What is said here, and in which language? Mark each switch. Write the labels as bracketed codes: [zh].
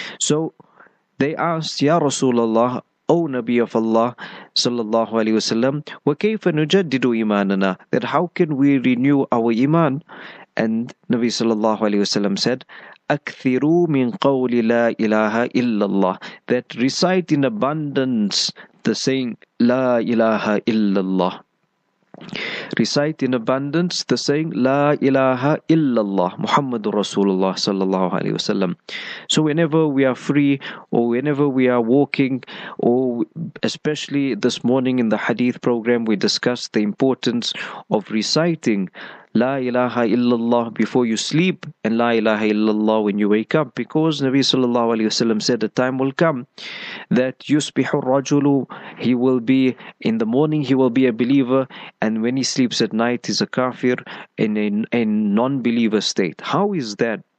[en] So they asked, Ya Rasulullah, O Nabi of Allah sallallahu alayhi wasallam, [ar] وَكَيْفَ نُجَدِّدُ إِمَانَنَا, [en] that how can we renew our iman? And Nabi sallallahu alayhi wasallam said, [ar] أكثروا من قول لا إله إلا الله, [en] that recite in abundance the saying لا إله إلا الله. Recite in abundance the saying [ar] لا إله إلا الله محمد رسول الله صلى الله عليه وسلم. [en] So whenever we are free, or whenever we are walking, or especially this morning in the hadith program, we discussed the importance of reciting لا إله إلا الله before you sleep, and لا إله إلا الله when you wake up, because Nabi صلى الله عليه وسلم said a time will come that [ar] يصبح الرجل, [en] he will be in the morning, he will be a believer, and when he sleeps at night he's a kafir, in a non-believer state. How is that?